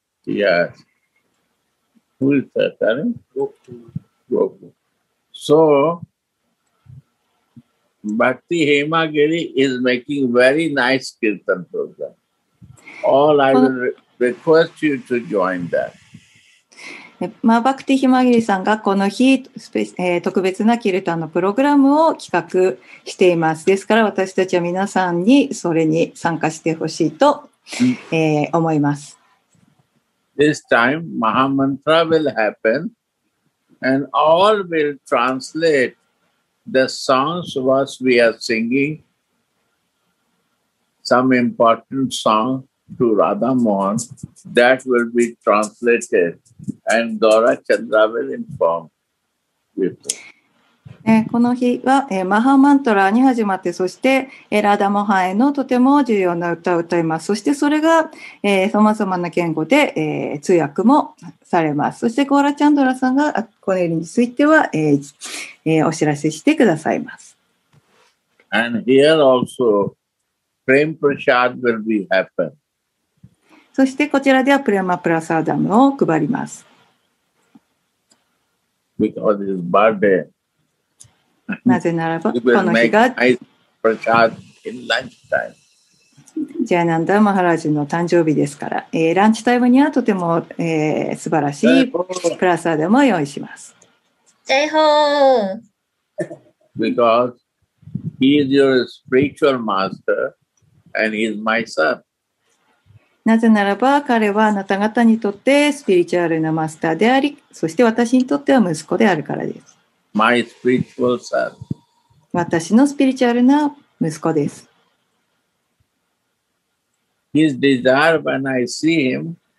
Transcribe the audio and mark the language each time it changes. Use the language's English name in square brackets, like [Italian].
[English] Yes. Who is that, darling? Gopu. So, Bhakti Hemagiri is making very nice kirtan program. All I will request you to join that. [Japanese] まあ、バクティヒマギリさんがこの日、特別なキルタンのプログラムを企画しています。ですから私たちは皆さんにそれに参加してほしいと、思います。 [English] This time Mahamantra will happen and all will translate the songs what we are singing, some important songto Radha Mohan, that will be translated and Gaura Chandra will inform people. [Japanese] この日は、マハマントラに始まって、そして、ラダモハへのとても重要な歌を歌います。そしてそれが、さまざまな言語で、通訳もされます。そしてゴーラチャンドラさんがこれについては、お知らせしてくださいます。 [English] And here also, Prem Prasad will be happen. [Japanese] そしてこちらではプレマプラサーダムを配ります。 [English] Because it's birthday. [Japanese] なぜならば、この日が、ジャナンダ・マハラジの誕生日ですから、ランチタイムにはとても、素晴らしいプラサーダムを用意します。ジェイホ [English] ー Because he is your spiritual master and he is my son. [Japanese] なぜならば彼はあなた方にとってスピリチュアルなマスターであり、そして私にとっては息子であるからです。 [English] My spiritual son. [Japanese] 私のスピリチュアルな息子です。 [English] His desire when I see him.